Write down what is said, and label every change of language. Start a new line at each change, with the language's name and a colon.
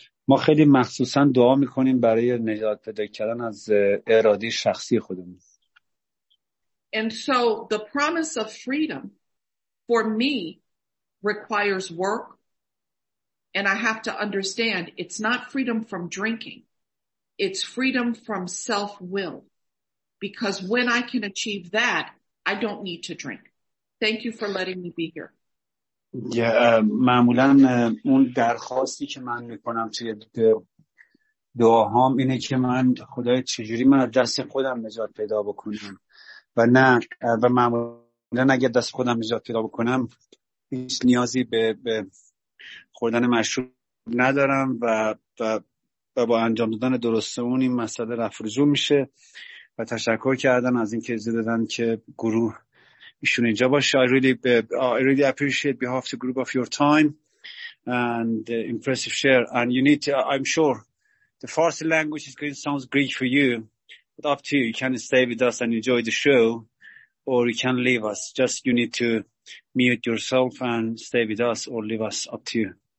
Persian: ما خیلی مخصوصا دعا میکنیم برای نجات پیدا کردن از اراده شخصی خودمون.
English: And so the promise of freedom for me requires work, and I have to understand it's not freedom from drinking. It's freedom from self-will. Because when I can achieve that, I don't need to drink. Thank you for letting me be here. Yeah,
Persian: معمولا اون درخواستی که من میکنم توی دعاهام اینه که من خدای چجوری من از دست خودم نجات پیدا بکنم و نه و معمولا اگر دست خودم نجات پیدا بکنم هیچ نیازی به خوردن مشروب ندارم و با انجام دادن درست اون این مسئله رفع رجوع میشه. و تشکر کردن از این که زدن که گروه ایشون اینجا باشه.
English: I really appreciate behalf the group of your time and impressive share, and you need to, I'm sure the Farsi language is going to sound great for you, but up to you. You can stay with us and enjoy the show, or you can leave us. Just you need to mute yourself and stay with us or leave us, up to you.